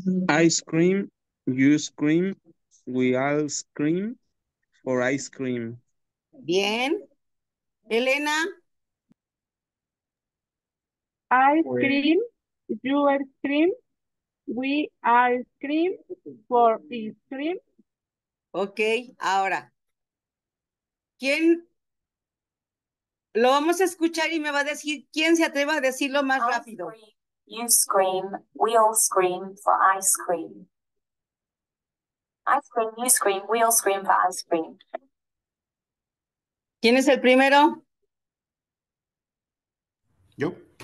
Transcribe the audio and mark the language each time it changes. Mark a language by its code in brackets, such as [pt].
[en] Ice cream, you scream, we all scream for ice cream. [es] Bien. Elena. [en] Ice cream, you scream, we are scream for ice cream. Okay, [es] ahora, ¿quién lo vamos a escuchar y me va a decir quién se atreva a decirlo más rápido? [en] You scream, we all scream for ice cream. Ice cream, you scream, we all scream for ice cream. [es] ¿Quién es el primero? Yo.